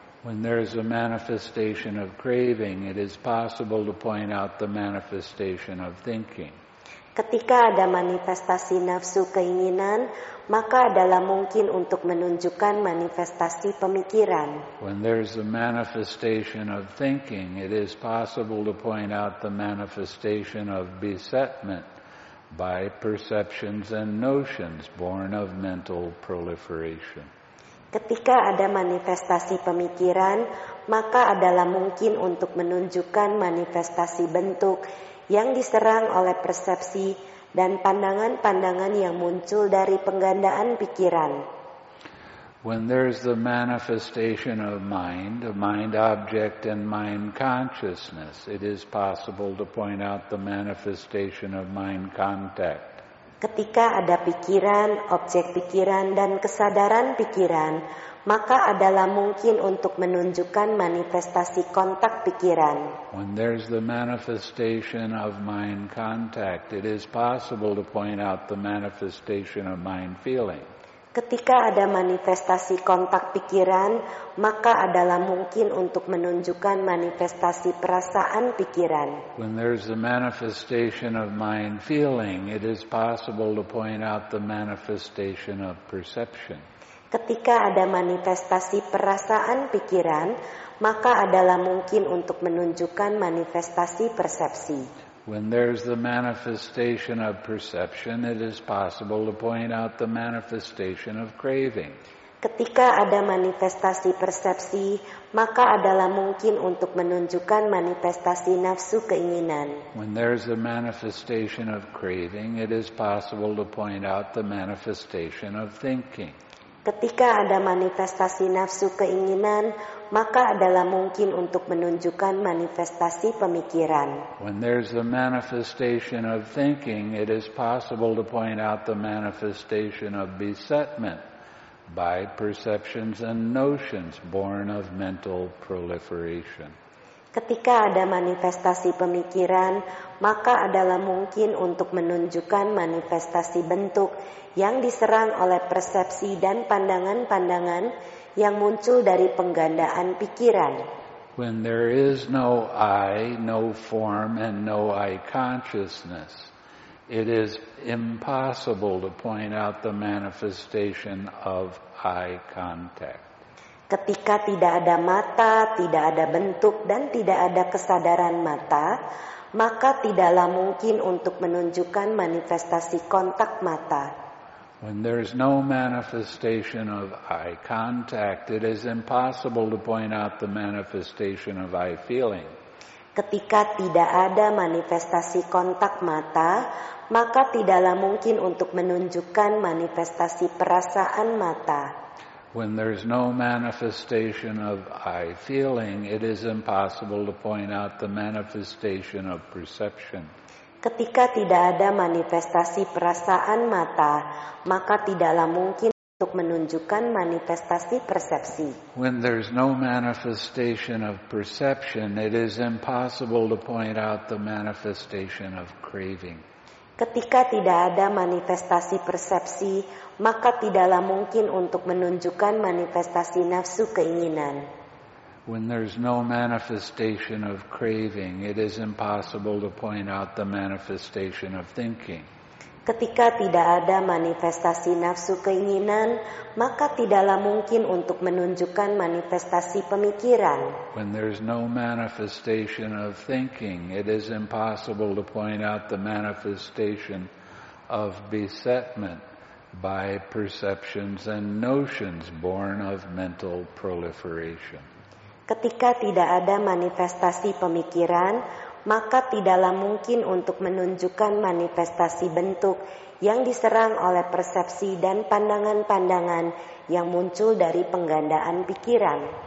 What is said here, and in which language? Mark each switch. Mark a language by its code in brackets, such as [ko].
[en] When there is a manifestation of craving, it is possible to point out the manifestation of thinking. [id] Ketika ada manifestasi nafsu keinginan, maka adalah mungkin untuk menunjukkan manifestasi pemikiran. [en] When there is a manifestation of thinking, it is possible to point out the manifestation of besetment by perceptions and notions born of mental proliferation. [id] Ketika ada manifestasi pemikiran, maka adalah mungkin untuk menunjukkan manifestasi bentuk yang diserang oleh persepsi dan pandangan-pandangan yang muncul dari penggandaan pikiran. [en] When there is the manifestation of mind, a mind object and mind consciousness, it is possible to point out the manifestation of mind contact. [id] Ketika ada pikiran, objek pikiran, dan kesadaran pikiran, maka adalah mungkin untuk menunjukkan manifestasi kontak pikiran. [en] When there is the manifestation of mind contact, it is possible to point out the manifestation of mind feeling. [id] Ketika ada manifestasi kontak pikiran, maka adalah mungkin untuk menunjukkan manifestasi perasaan pikiran. [en] When there is a manifestation of mind feeling, it is possible to point out the manifestation of perception. [id] Ketika ada manifestasi perasaan pikiran, maka adalah mungkin untuk menunjukkan manifestasi persepsi. [en] When there is the manifestation of perception, it is possible to point out the manifestation of craving. [id] Ketika ada manifestasi persepsi, maka adalah mungkin untuk menunjukkan manifestasi nafsu keinginan. [en] When there is the manifestation of craving, it is possible to point out the manifestation of thinking. [id] Ketika ada manifestasi nafsu keinginan, maka adalah mungkin untuk menunjukkan manifestasi pemikiran. [en] When there is a manifestation of thinking, it is possible to point out the manifestation of besetment by perceptions and notions born of mental proliferation. [id] Ketika ada manifestasi pemikiran, maka adalah mungkin untuk menunjukkan manifestasi bentuk yang diserang oleh persepsi dan pandangan-pandangan yang muncul dari penggandaan pikiran. [en] When there is no I, no form, and no I consciousness, it is impossible to point out the manifestation of I contact. [id] Ketika tidak ada mata, tidak ada bentuk, dan tidak ada kesadaran mata, maka tidaklah mungkin untuk menunjukkan manifestasi kontak mata. [en] When there is no manifestation of eye contact, it is impossible to point out the manifestation of eye feeling. [id] Ketika tidak ada manifestasi kontak mata, maka tidaklah mungkin untuk menunjukkan manifestasi perasaan mata. [en] When there is no manifestation of I feeling, it is impossible to point out the manifestation of perception. [id] Ketika tidak ada manifestasi perasaan mata, maka tidaklah mungkin untuk menunjukkan manifestasi persepsi. [en] When there is no manifestation of perception, it is impossible to point out the manifestation of craving. [id] Ketika tidak ada manifestasi persepsi, maka tidaklah mungkin untuk menunjukkan manifestasi nafsu keinginan. [en] When there is no manifestation of craving, it is impossible to point out the manifestation of thinking. [id] Ketika tidak ada manifestasi nafsu keinginan, maka tidaklah mungkin untuk menunjukkan manifestasi pemikiran. [en] When there is no manifestation of thinking, it is impossible to point out the manifestation of besetment by perceptions and notions born of mental proliferation. [id] Ketika tidak ada manifestasi pemikiran, maka tidaklah mungkin untuk menunjukkan manifestasi bentuk yang diserang oleh persepsi dan pandangan-pandangan yang muncul dari penggandaan pikiran.